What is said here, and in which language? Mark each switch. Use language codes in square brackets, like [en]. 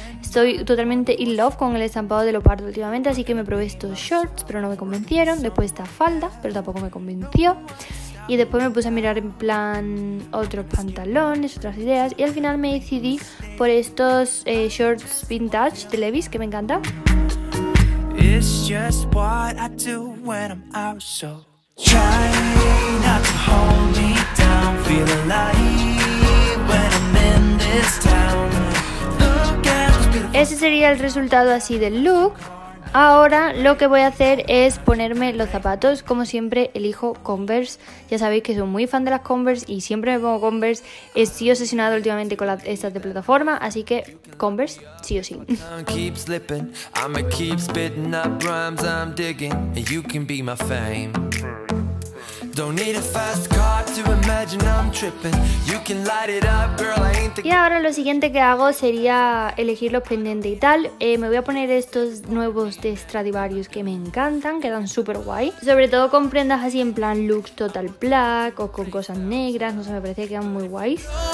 [es] Estoy totalmente [en] in love [es] con el estampado de leopardo últimamente, así que me probé estos shorts, pero no me convencieron. Después esta falda, pero tampoco me convenció. Y después me puse a mirar en plan otros pantalones, otras ideas. Y al final me decidí por estos shorts vintage de Levi's, que me encantan. [en] It's just what I do when I'm out, so try not to hold me down. Feel alive when I'm in this town. Look at this beautiful... [es] Ese sería el resultado así del look. Ahora lo que voy a hacer es ponerme los zapatos. Como siempre, elijo Converse. Ya sabéis que soy muy fan de las Converse y siempre me pongo Converse. Estoy obsesionado últimamente con estas de plataforma, así que Converse sí o sí. [en] Keep slipping, I'ma keep spitting up rhymes I'm digging, and you can be my fame. Don't need a fast car to imagine I'm tripping. You can light it up, girl, I ain't the... [es] Y ahora lo siguiente que hago sería elegir los pendientes y tal. Me voy a poner estos nuevos de Stradivarius que me encantan, quedan súper guay. Sobre todo con prendas así en plan looks total black o con cosas negras, no sé, me parece que quedan muy guays.